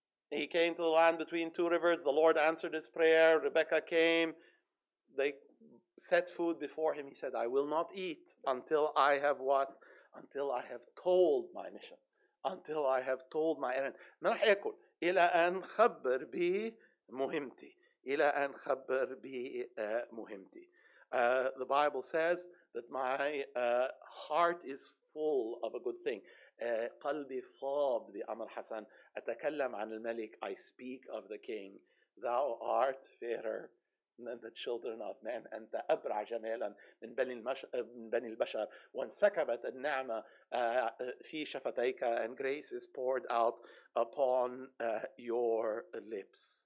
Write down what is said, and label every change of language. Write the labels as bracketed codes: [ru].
[en] He came to the land between two rivers. The Lord answered his prayer. Rebekah came. They set food before him. He said, "I will not eat until I have what? Until I have told my mission. Until I have told my errand." [ar] ما رح يأكل إلى أن خبر بي مهمتي. إلى أن خبر بي مهمتي. [en] The Bible says that my heart is full of a good thing. [ar] قلبي فاض بأمر حسن. أتكلم عن الملك. [en] I speak of the king. Thou art fairer than the children of men. [ar] أنت أبرع جمالا من بني البشر. وانسكبت النعمة في شفتيك. [en] And grace is poured out upon your lips.